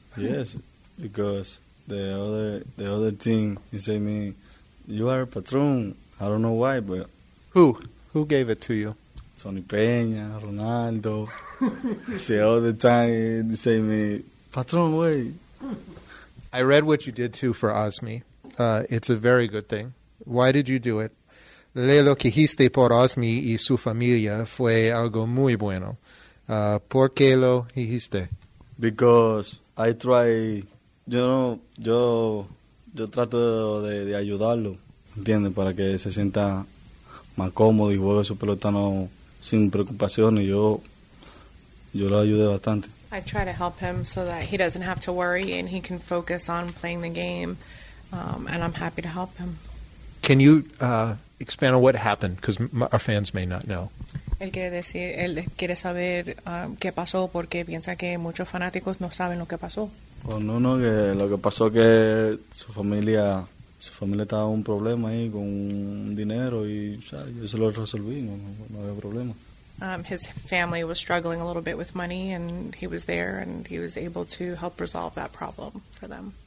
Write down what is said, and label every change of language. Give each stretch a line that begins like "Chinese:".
English: Yes, because the other thing, you say me, you are a patron. I don't know why, but... Who gave it to you? Tony Peña, Ronaldo. See, all the time, you say me, Patron, wait. I read what you did, too, for Osmi. It's a very good thing. Why did you do it?
Spanish: Leer lo que hiciste por Osmi y su familia fue algo muy bueno. ¿Por qué lo hiciste?
English: because I try, you know,
Spanish: yo trato de ayudarlo, ¿entiendes? Para que se sienta más cómodo y juegue su pelota no sin preocupaciones. Yo lo ayudé bastante.
English: I try to help him so that he doesn't have to worry and he can focus on playing the game, and I'm happy to help him. Can you expand on what happened? Because our fans may not know.
Spanish: Él quiere decir, él quiere saber qué pasó porque piensa que muchos fanáticos no saben lo que pasó. No, que lo que pasó que su familia estaba en un problema ahí con dinero y o sea, yo se lo resolví, no había problema.
English: His family was struggling a little bit with money and he was there and he was able to help resolve that problem for them.